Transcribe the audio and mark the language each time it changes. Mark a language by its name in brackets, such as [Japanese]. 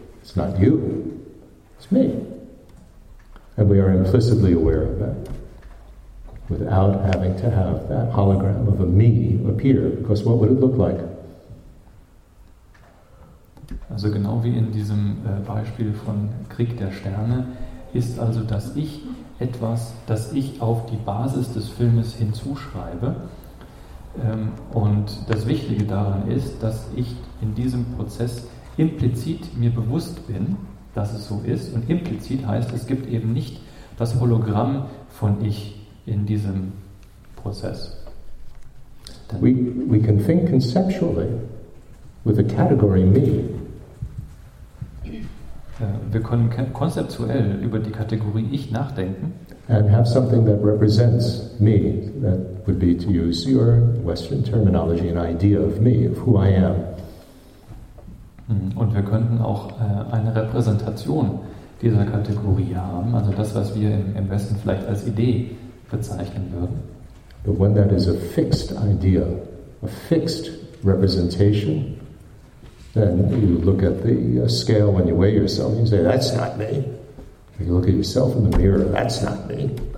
[English] It's not you. It's me. And we are implicitly aware of that without having to have that hologram of a me appear. Because what would it look like? [German] Also genau wie in diesem Beispiel von Krieg der Sterne ist also das Ich etwas, das ich auf die Basis des Filmes hinzuschreibe. Und das Wichtige daran ist, dass ich in diesem Prozess implizit mir bewusst bin, dass es so ist. Und implizit heißt, es gibt eben nicht das Hologramm von Ich in diesem Prozess. [English] We can think conceptually with a category me. [German] Wir können konzeptuell über die Kategorie Ich nachdenken. [English] And have something that represents me. That would be to use your Western terminology, an idea of me, of who I am. [German] Und wir könnten auch eine Repräsentation dieser Kategorie haben, also das, was wir im Westen vielleicht als Idee bezeichnen würden. [English] But when that is a fixed idea, a fixed representation, then you look at the scale when you weigh yourself and you say, that's not me. If you look at yourself in the mirror, that's not me.